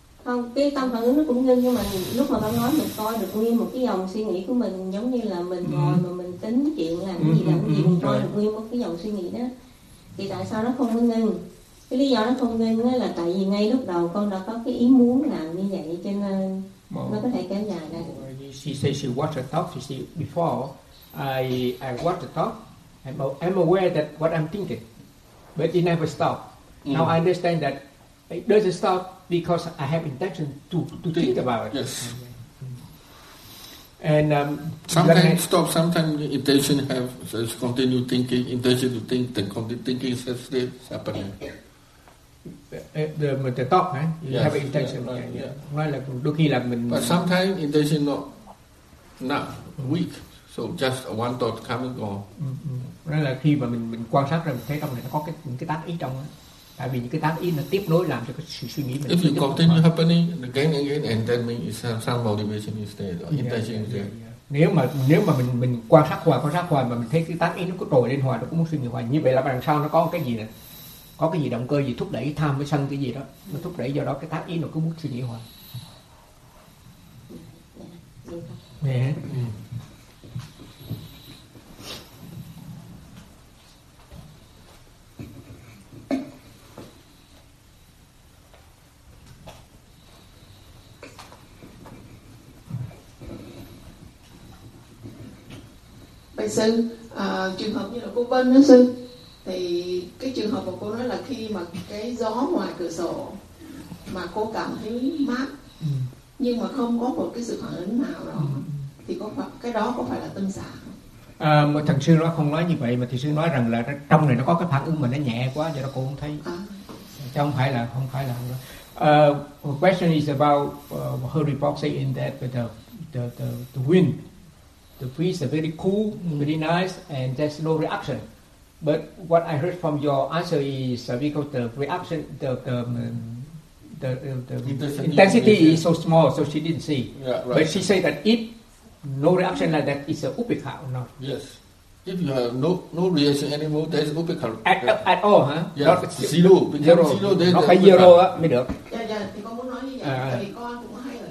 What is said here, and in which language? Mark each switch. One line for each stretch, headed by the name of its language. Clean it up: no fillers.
Vietnamese: Không, cái tâm phản ứng nó cũng ngưng nhưng mà lúc mà con nói mình coi được nguyên một cái dòng suy nghĩ của mình giống như là mình ngồi mà mình tính chuyện làm cái gì mình coi được nguyên một cái dòng suy nghĩ đó. Thì tại sao nó không có ngưng? Cái lý do nó không ngưng là tại vì ngay lúc đầu con đã có cái ý muốn làm như vậy cho nên nó có thể kéo dài ra được.
English: She says she watched the talk. She said before I watched the talk, I'm aware that what I'm thinking, but it never stopped. Now I understand that it doesn't stop because I have intention to think about it. Yes. And sometimes stop. Sometimes intention says continue thinking. Intention to think, then continue thinking. Says it's happening. The talk, right? You have an intention. But sometimes intention not weak, so just one thought coming on.
Vietnamese: Nói là khi mà mình quan sát rồi mình thấy trong này nó có những cái tác ý trong đó. Tại vì những cái tác ý nó tiếp nối làm cho cái suy nghĩ mình.
English: If you continue happening again and again, and then mean it's some motivation is there, intention is there.
Vietnamese: Nếu mà mình quan sát hoài mà mình thấy cái tác ý nó cứ trồi lên hoài, nó cũng muốn suy nghĩ hoài. Như vậy là đằng sau nó có cái gì nè? Có cái gì động cơ gì thúc đẩy tham với sân cái gì đó nó thúc đẩy, do đó cái tác ý nó cứ muốn suy nghĩ hoài. Vậy sư, trường hợp như là cô Vân đó sư, thì cái trường hợp của cô đó là khi mà cái gió ngoài cửa sổ mà cô cảm thấy mát, nhưng mà không có một cái sự phản ứng nào đó, thì có phải, cái đó có phải là tâm xả? Thằng sư nó không nói như vậy, mà thì sư nói rằng là trong này nó có cái phản ứng mà nó nhẹ quá, cho nên cô không thấy. Chứ không phải là không phải là.
English: The question is about her report saying that the wind, the breeze is very cool, very nice, and there's no reaction. But what I heard from your answer is because the reaction, the intensity is so small, so she didn't see. Yeah, right. But she said that if no reaction like that, it's a upekkha or not? Yes. If you have no reaction anymore, there's no upekkha. At all, huh? Yeah. Not zero. Zero. Not
Vietnamese: phải
English: zero,
Vietnamese: mới được. Dạ, dạ. Thì con muốn nói như vậy. Thì con cũng hay ở trạng thái như vậy. Khi bên ngoài có bản hưởng.